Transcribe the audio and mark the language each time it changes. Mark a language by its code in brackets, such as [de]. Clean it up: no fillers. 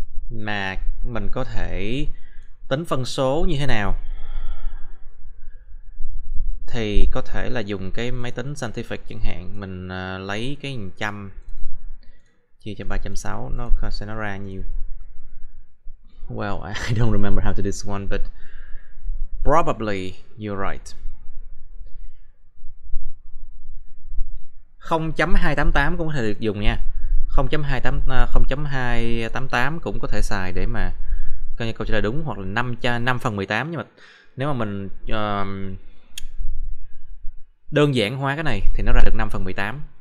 [vi] Mà mình có thể tính phân số như thế nào thì có thể là dùng cái máy tính scientific chẳng hạn, mình lấy cái 100 chia cho 360 nó sẽ nó ra nhiêu. [en] Well, I don't remember how to do this one, but probably you're right. [vi] 0.288 cũng có thể được dùng nha. 0.288 cũng có thể xài để mà coi như câu trả lời đúng, hoặc là 5/18. Nhưng mà nếu mà mình đơn giản hóa cái này thì nó ra được 5/18.